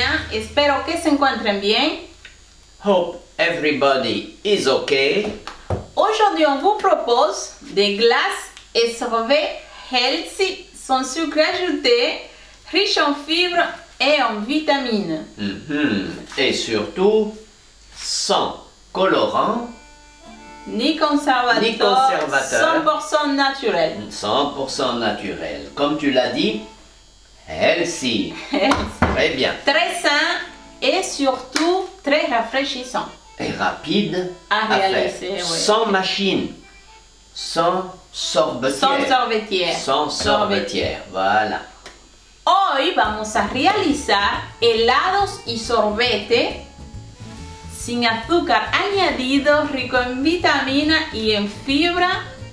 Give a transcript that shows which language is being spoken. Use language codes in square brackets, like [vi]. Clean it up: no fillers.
[es] Espero que se encuentren bien. [en] Hope everybody is okay. [fr] Aujourd'hui, on vous propose des glaces et sorbets healthy sans sucre ajouté, riches en fibres et en vitamines. Mm-hmm. Et surtout, sans colorant ni conservateur, ni conservateur. 100% naturel. 100% naturel. Comme tu l'as dit, healthy. Très bien. Très sain et surtout très rafraîchissant. Et rapide à réaliser, faire. Oui. Sans machine, sans sorbetière. Sans sorbetière. Sans sorbetière, voilà. [es] Hoy vamos a realizar helados y sorbete sin azúcar añadido, rico en vitamina y en fibra.